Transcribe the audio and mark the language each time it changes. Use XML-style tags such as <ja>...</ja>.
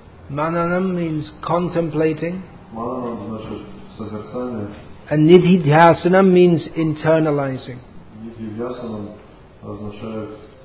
<en>Mananam means contemplating.</en> <ru>Mananam значит созерцание.</ru> <en>And Nididhyasana means internalizing.</en> <ru>Nididhyasana означает.</ru>